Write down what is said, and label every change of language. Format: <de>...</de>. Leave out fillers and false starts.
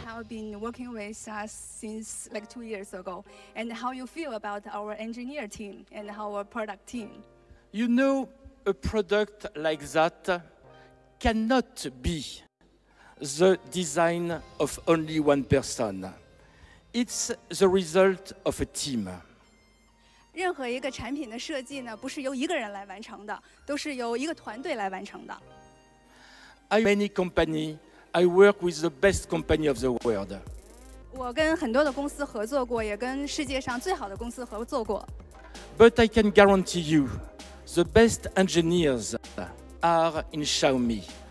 <en>You have been working with us since like 2 years ago, and how you feel about our engineer team and our product team? You know, a product like that cannot be the design of only one person. It's the result of a team.</en> <zh>任何一个产品的设计呢，不是由一个人来完成的，都是由一个团队来完成的。</zh> <en>I many company. I work with the best company of the world.</en> <zh>我跟很多的公司合作过，也跟世界上最好的公司合作过。</zh> <en>But I can guarantee you, the best engineers are in Xiaomi.</en>